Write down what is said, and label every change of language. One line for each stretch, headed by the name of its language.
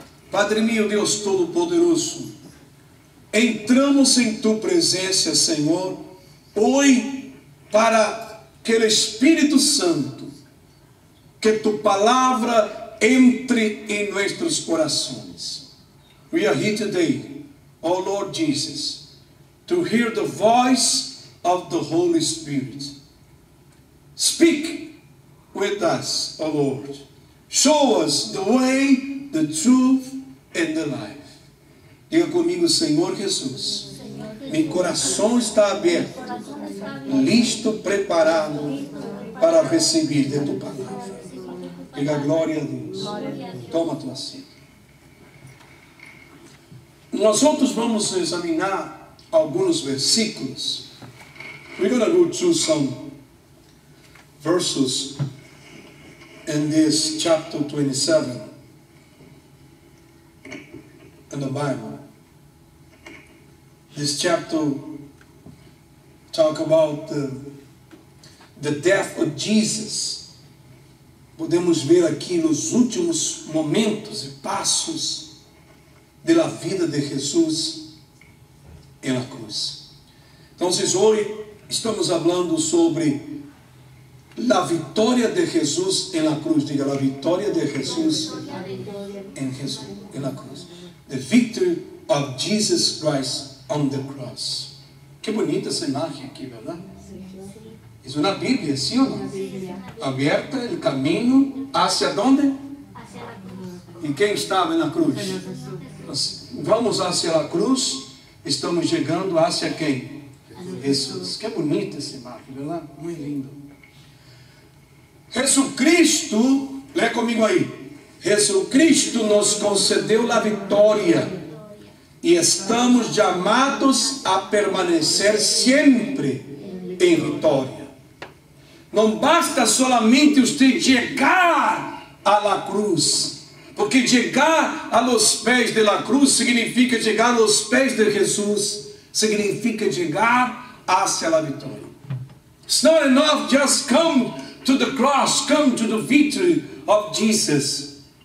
Portuguese: Padre meu, Deus Todo-Poderoso, entramos em tua presença, Senhor, hoje, para que o Espírito Santo, que tua palavra entre em nossos corações.
English: We are here today, O Lord Jesus, to hear the voice of the Holy Spirit. Speak with us, O Lord. Show us the way, the truth, and the life.
Portuguese: Diga comigo, Senhor Jesus. Meu coração está aberto, listo, preparado para receber de tua palavra. Diga glória a Deus. Toma tua assento. Nós outros vamos examinar alguns versículos.
English: We're going to go to some verses in this chapter 27 in the Bible. This chapter talk about the death of Jesus.
Portuguese: Podemos ver aqui nos últimos momentos e passos da vida de Jesus na cruz. Então, hoje estamos falando sobre a vitória de Jesus na cruz. Diga, a vitória de Jesus em Jesus, na cruz.
English: The victory of Jesus Christ on the cross.
Portuguese: Que bonita essa imagem aqui, verdade? Isso na Bíblia, sim ou não? Aberta, o caminho, hacia onde? E quem estava na cruz? Vamos hacia a cruz. Estamos chegando hacia quem? Jesus. Que bonita essa imagem, viu lá? Muito lindo. Jesus Cristo, lê comigo aí. Jesus Cristo nos concedeu a vitória. E estamos chamados a permanecer sempre em vitória. Não basta solamente você chegar à cruz. Porque chegar aos pés da cruz significa chegar aos pés de Jesus, significa chegar até a vitória.
English: It's not enough just come to the cross, come to the victory of Jesus.